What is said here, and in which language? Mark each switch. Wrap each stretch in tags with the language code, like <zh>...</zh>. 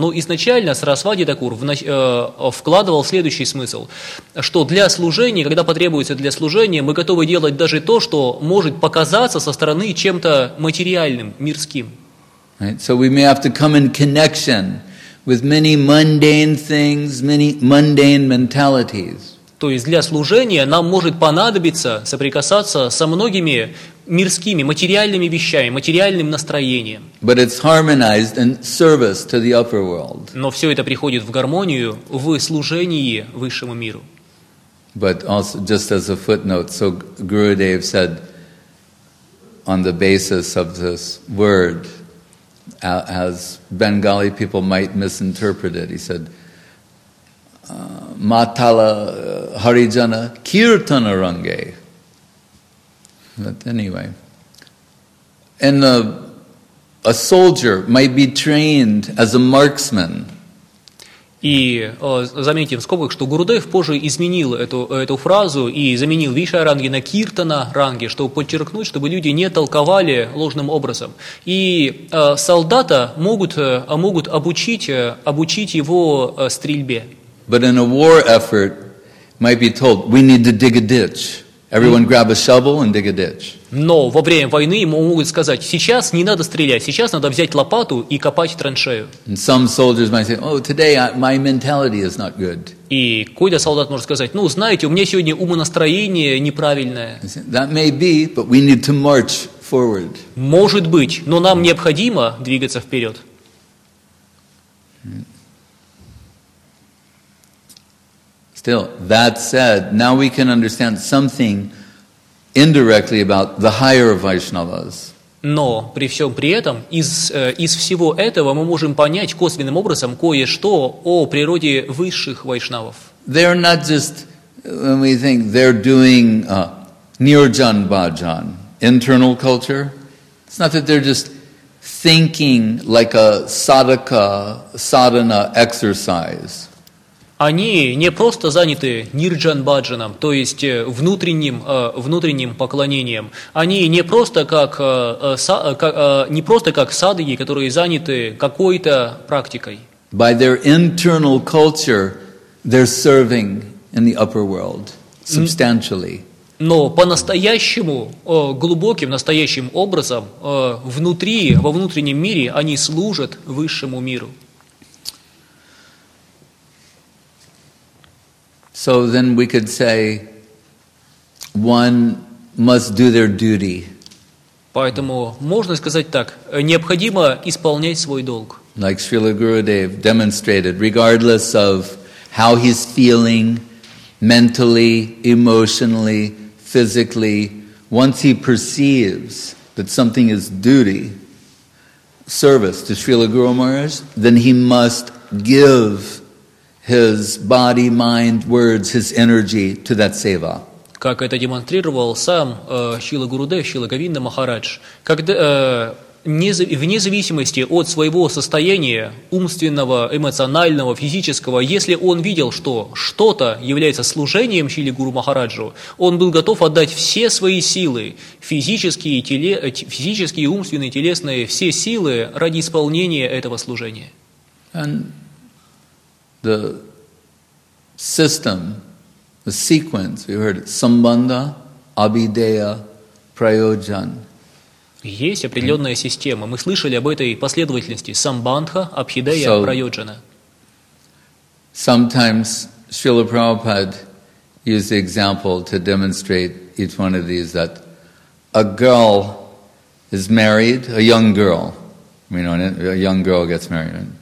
<ru>Но изначально Сарасвати Такур вкладывал следующий смысл, что для служения, когда потребуется для служения, мы готовы делать даже то, что может показаться со стороны чем-то материальным, мирским.</ru> <en>Right? So we may have to come in connection with many mundane things, many mundane mentalities.</en> <ru>То есть для служения нам может понадобиться соприкасаться со многими мирскими, материальными вещами, материальным настроением.</ru> <en>But it's harmonized in service to the upper world.</en> <ru>Но все это приходит в гармонию в служении высшему миру.</ru> <en>But also, just as a footnote, so Gurudev said on the basis of this word, as Bengali people might misinterpret it, he said, Matala Harijana Kirtana Range. But anyway, and a soldier might be trained as a marksman.</en> <ru>И заметим в скобках, что Гурудев позже изменил эту фразу и заменил Вишая Ранги на Киртана Ранги, чтобы подчеркнуть, чтобы люди не толковали ложным образом. И солдата могут обучить его стрельбе.</ru> <en>But in a war effort, might be told, we need to dig a ditch. Everyone grab a shovel and dig a ditch.</en> <ru>Но во время войны ему могут сказать, сейчас не надо стрелять, сейчас надо взять лопату и копать траншею.</ru> <en>And some soldiers might say, oh, today my mentality is not good.</en> <ru>И какой-то солдат может сказать, ну, знаете, у меня сегодня умонастроение неправильное.</ru> <en>That may be, but we need to march forward.</en> <ru>Может быть, но нам необходимо двигаться вперед.</ru> <en>Still, that said, now we can understand something indirectly about the higher Vaishnavas.</en> <ru>Но при всем при этом из всего этого мы можем понять косвенным образом кое-что о природе высших вайшнавов.</ru> <en>They're not just when we think they're doing nirjan bhajan, internal culture. It's not that they're just thinking like a sadhaka, sadhana exercise.</en> <ru>Они не просто заняты нирджан-баджаном, то есть внутренним поклонением. Они не просто как садхи, которые заняты какой-то практикой.</ru> <en>By their internal culture, they're serving in the upper world substantially.</en> <ru>Но по-настоящему, глубоким, настоящим образом, внутри, во внутреннем мире, они служат высшему миру.</ru> <en>So then we could say one must do their duty.</en> <ru>Поэтому можно сказать так, необходимо исполнять свой долг.</ru> <en>Like Srila Gurudev demonстrated, regardless of how he's feeling mentally, emotionally, physically, once he perceives that something is duty, service to Srila Guru Maharaj, then he must give his body, mind, words, his energy to that seva.</en> <ru>Как это демонстрировал сам Шрила Гурудев, Шрила Говинда Махарадж, когда, вне зависимости от своего состояния умственного, эмоционального, физического, если он видел, что что-то является служением Шрила Гуру Махараджу, он был готов отдать все свои силы, физические, умственные, телесные, все силы ради исполнения этого служения.</ru> <en>And the system... The sequence, we heard it, sambandha, abideya, prayojan.</en> <ru>Есть определенная система. Мы слышали об этой последовательности. Самбандха, абхидея, прайоджана.</ru> <en>Sometimes Srila Prabhupada used the example to demonstrate each one of these that a girl is married, a young girl, you know, a young girl gets married.</en>